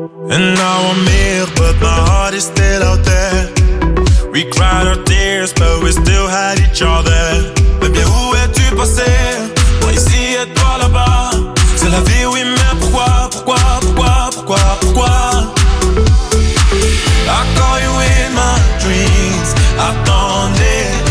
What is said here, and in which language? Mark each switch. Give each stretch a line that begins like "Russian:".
English: And now I'm here, but my heart is still out there. We cried our tears, but we still had each other.
French: Baby, où es-tu passé? Moi ici et toi là-bas. C'est la vie, oui, mais pourquoi, pourquoi, pourquoi, pourquoi, pourquoi?
English: I call you in my dreams,
French: attendez.